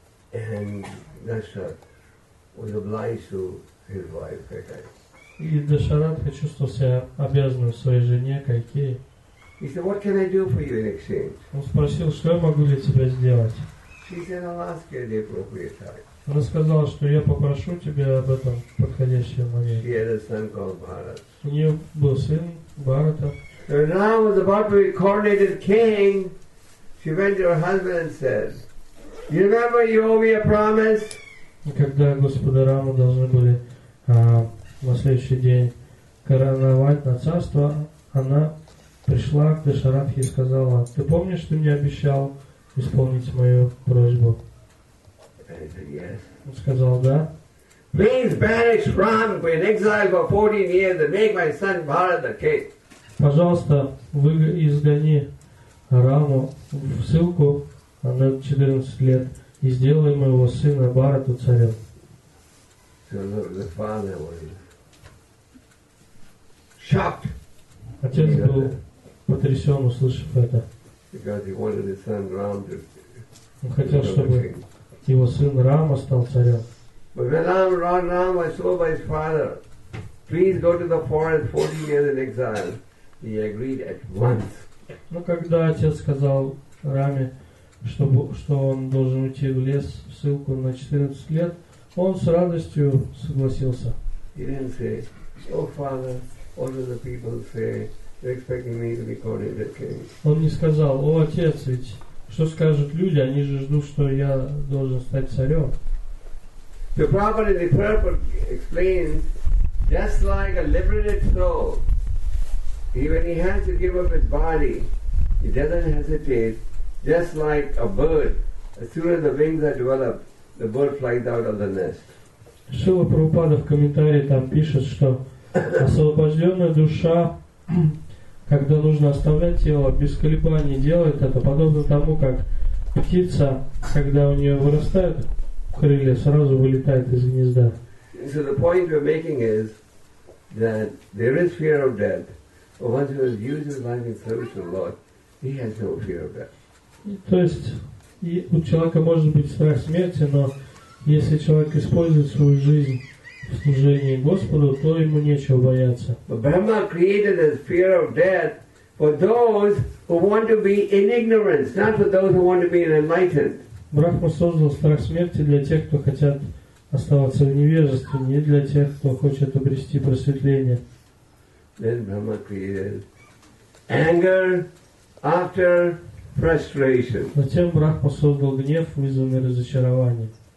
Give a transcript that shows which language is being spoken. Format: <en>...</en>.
<en>And Dasharath was obliged to his wife, Kaikeyi.</en> <ru>И Дашаратхи чувствовал себя обязанным своей жене Кайкеи.</ru> <en>He said, "What can I do for you in exchange?"</en> <ru>Он спросил, что я могу для тебя сделать.</ru> <en>She said, "I'll ask you at the appropriate time."</en> <ru>Она сказала, что я попрошу тебя об этом в подходящий момент.</ru> <en>She had a son called Bharat.</en> <ru>У нее был сын Бхарата.</ru> <en>So now was about to be coronated king. She went to her husband and said, "You remember you owe me a promise?"</en> <ru>И когда Господа Раму должны были на следующий день короновать на царство, она пришла к Дашаратхе и сказала, "Ты помнишь, ты мне обещал исполнить мою просьбу?"</ru> <en>Yes.</en> <ru>Он сказал, да.</ru> <en>Please banish Ram in exile for 14 years and make my son Bharat the king.</en> <ru>Пожалуйста, вы изгони Раму в ссылку на 14 лет и сделай моего сына Бхарата царем.</ru> <en>So the father was shocked.</en> <ru>Отец был потрясен, услышав это.</ru> <en>Because he wanted his son Ram to</en> <ru>Он хотел, чтобы его сын Рама стал царем.</ru> <en>But when Ram was told by his father, please go to the forest 40 years in exile, he agreed at once.</en> <ru>Но когда отец сказал Раме, что он должен уйти в лес в ссылку на 14 лет, он с радостью согласился.</ru> <en>He didn't say, "Oh, father, all of the people say they're expecting me to be coronated king."</en> <ru>Он не сказал, "О, отец, ведь что скажут люди? Они же ждут, что я должен стать царем."</ru> <en>The Prabhupada the purport explains, just like a liberated soul, even he has to give up his body, he doesn't hesitate. Just like a bird, as soon as the wings are developed, the bird flies out of the nest.</en> <ru>Шрила Прабхупада в комментарии там пишет, что освобожденная душа, когда нужно оставлять тело, без колебаний делает это, подобно тому, как птица, когда у нее вырастают крылья, сразу вылетает из гнезда.</ru> <en>So the point we're making is that there is fear of death, but once he has used his life in service to the Lord, he has no fear of death.</en> <ru>То есть у человека может быть страх смерти, но если человек использует свою жизнь в служении Господу, то ему нечего бояться.</ru> <en>But Brahma created this fear of death for those who want to be in ignorance, not for those who want to be enlightened.</en> <ru>Брахма создал страх смерти для тех, кто хотят оставаться в невежестве, не для тех, кто хочет обрести просветление.</ru> <en>Then Brahma created anger after frustration.</en> <ru>Затем Брахма создал гнев, вызванный разочарованием.</ru>